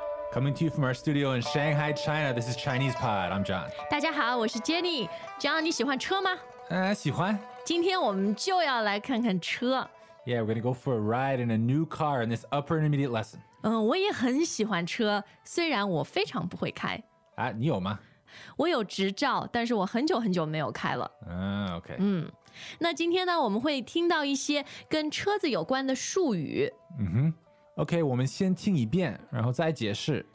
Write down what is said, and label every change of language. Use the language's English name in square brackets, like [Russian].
[English] Coming to you from our studio in Shanghai, China, this is Chinese Pod. I'm John. [Chinese] 大家好，我是 Jenny。John, 你喜欢车吗？喜欢。今天我们就要来看看车。 [English] Yeah, we're going to go for a ride in a new car in this upper intermediate lesson. [Chinese] 我也很喜欢车，虽然我非常不会开。啊，你有吗？我有执照，但是我很久很久没有开了。 [English] OK. [Chinese] 那今天呢，我们会听到一些跟车子有关的术语。 OK, 我们先听一遍，然后再解释。